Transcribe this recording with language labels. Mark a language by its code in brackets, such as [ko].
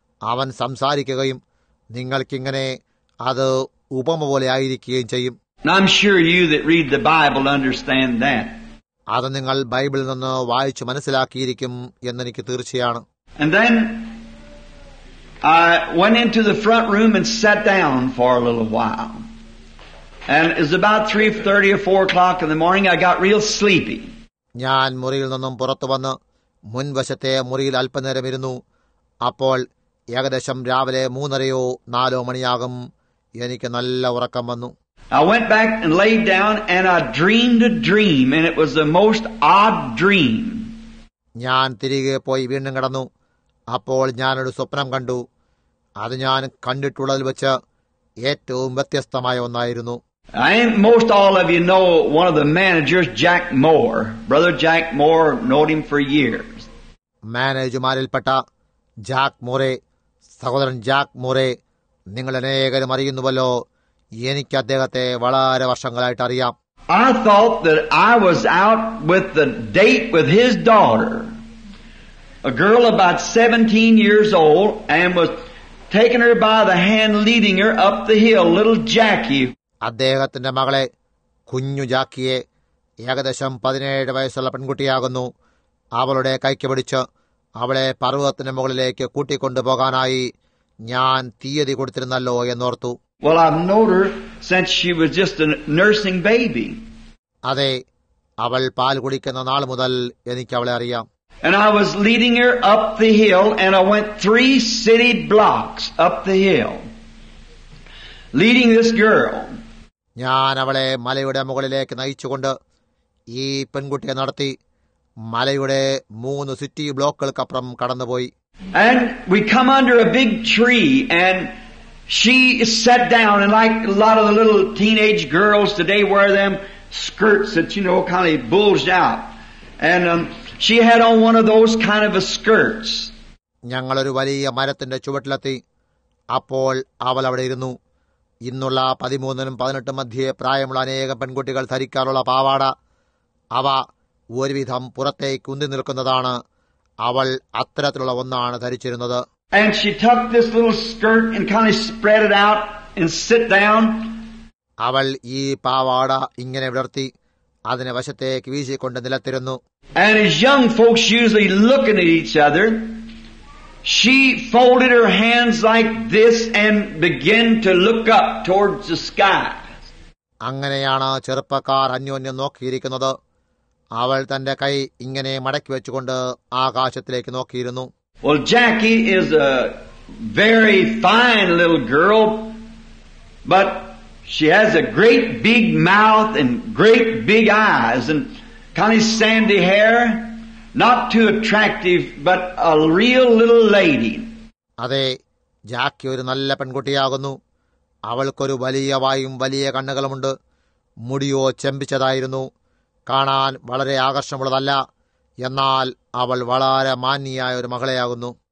[ml] അവൻ സംസാരിക്കുകയും നിങ്ങൾക്കിങ്ങനെ അത് ഉപമ പോലെ ആയിരിക്കുകയും ചെയ്യും. [en] I'm sure you that read the Bible understand that. [ml] അത് നിങ്ങൾ ബൈബിളിൽ നിന്ന് വായിച്ചു മനസ്സിലാക്കിയിരിക്കും എന്നെനിക്ക് തീർച്ചയാണ്. [en] And then I went into the front room and sat down for a little while. And it was about 3:30 or 4 o'clock in the morning. I got real sleepy. [ml] ഞാൻ മുറിയിൽ നിന്നും പുറത്തു വന്ന് മുൻവശത്തെ മുറിയിൽ അല്പനേരം ഇരുന്നു. അപ്പോൾ ഏകദേശം രാവിലെ 3:30 or 4 മണിയാകും എനിക്ക് നല്ല ഉറക്കം വന്നു. [en] I went back and laid down and I dreamed a dream and it was the most odd dream. [ml] ഞാൻ തിരികെ പോയി വീണ്ടും കിടന്നു. അപ്പോൾ ഞാനൊരു സ്വപ്നം കണ്ടു. അത് ഞാൻ കണ്ടിട്ടുള്ളതിൽ വെച്ച് ഏറ്റവും വ്യത്യസ്തമായ ഒന്നായിരുന്നു. [en] And most all of you know one of the managers, Jack Moore. Brother Jack Moore, known him for years. [ml] മാനേജർമാരിൽപ്പെട്ട Jack മോറേ, സഹോദരൻ ജാക്ക് മോറേ, നിങ്ങൾ അനേകരും അറിയുന്നുവല്ലോ. എനിക്ക് അദ്ദേഹത്തെ വളരെ വർഷങ്ങളായിട്ട് അറിയാം. [en] I thought that I was out with the date with his daughter, a girl about 17 years old, and was taking her by the hand, leading her up the hill, little Jackie. [ml] അദ്ദേഹത്തിന്റെ മകളെ, കുഞ്ഞു ജാക്കിയെ, ഏകദേശം 17 വയസ്സുള്ള പെൺകുട്ടിയാകുന്നു, അവളുടെ കൈക്ക് പിടിച്ച് അവളെ പർവ്വതത്തിന്റെ മുകളിലേക്ക് കൂട്ടിക്കൊണ്ടുപോകാനായി ഞാൻ തീയതി കൊടുത്തിരുന്നല്ലോ എന്നോർത്തു. [en] Well, I've known her since she was just a nursing baby. [ml] അതെ, അവൾ പാൽ കുടിക്കുന്ന നാൾ മുതൽ എനിക്ക് അവളെ അറിയാം. [en] And I was leading her up the hill, and I went 3 city blocks up the hill, leading this girl. [ml] ഞാൻ അവളെ മലയുടെ മുകളിലേക്ക് നയിച്ചുകൊണ്ട് ഈ പെൺകുട്ടിയെ നടത്തി മലയുടെ 3 സിറ്റി ബ്ലോക്കുകൾക്കപ്പുറം കടന്നുപോയി. [en] And we come under a big tree, and she sat down, and like a lot of the little teenage girls today wear them skirts that, you know, kind of bulged out. And she had on one of those kind of a skirts. [ml] ഞങ്ങൾ ഒരു വലിയ മരത്തിന്റെ ചുവട്ടിലെത്തി. അപ്പോൾ അവൾ അവിടെ ഇരുന്നു. ഇന്നുള്ള 13-ഉം 18-ഉം മധ്യേ പ്രായമുള്ള അനേകം പെൺകുട്ടികൾ ധരിക്കാറുള്ള പാവാട, അവ ഒരുവിധം പുറത്തേക്ക് ഉന്തി നിൽക്കുന്നതാണ്. അവൾ അത്തരത്തിലുള്ള ഒന്നാണ് ധരിച്ചിരുന്നത്. [en] And she took this little skirt and kind of spread it out and sit down. [ml] അവൾ ഈ പാവാട ഇങ്ങനെ വിടർത്തി അതിനെ വശത്തേക്ക് വീശിക്കൊണ്ട് നിലത്തിരുന്നു. [en] And as young folks usually looking at each other, she folded her hands like this and began to look up towards the sky. [ml] അങ്ങനെയാണ് ചെറുപ്പക്കാർ അന്യോന്യം നോക്കിയിരിക്കുന്നത്. അവൾ തന്റെ കൈ ഇങ്ങനെ മടക്കി വെച്ചുകൊണ്ട് ആകാശത്തിലേക്ക് നോക്കിയിരുന്നു. [en] Well, Jackie is a very fine little girl, but she has a great big mouth and great big eyes and kind of sandy hair. Not too attractive, but a real little lady. [ml] അതെ, ജാക്കി ഒരു നല്ല പെൺകുട്ടിയാകുന്നു. അവൾക്കൊരു വലിയ വായും വലിയ കണ്ണുകളുമുണ്ട്. മുടിയോ ചെമ്പിച്ചതായിരുന്നു. കാണാൻ വളരെ ആകർഷണമുള്ളതല്ല, എന്നാൽ അവൾ വളരെ മാന്യയായ ഒരു മകളെയാകുന്നു.